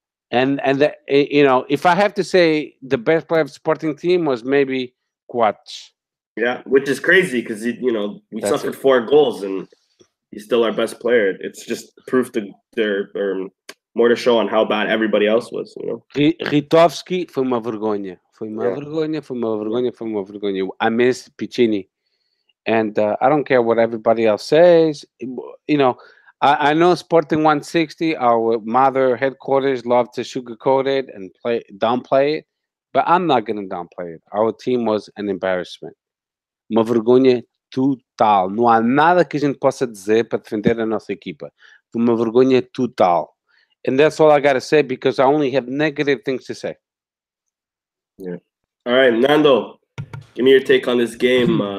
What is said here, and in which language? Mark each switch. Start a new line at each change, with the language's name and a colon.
English: And the, you know, if I have to say the best player of the Sporting team was maybe Quats. Yeah, which is crazy because, you know, we That's suffered it. 4 goals and he's still our best player. It's just proof to their more to show on how bad everybody else was, you know.
Portuguese: Ritovski foi uma vergonha. Foi uma vergonha, foi uma vergonha, foi uma vergonha.
English: I miss Piccini. And I don't care what everybody else says. You know, I know Sporting 160, our mother headquarters, love to sugarcoat it and downplay it. But I'm not going to downplay it. Our team was an embarrassment.
Portuguese: Uma vergonha total. Não há nada que a gente possa dizer para defender a nossa equipa. Foi uma vergonha total.
English: And that's all I got to say, because I only have negative things to say. Yeah. All right, Nando, give me your take on this game.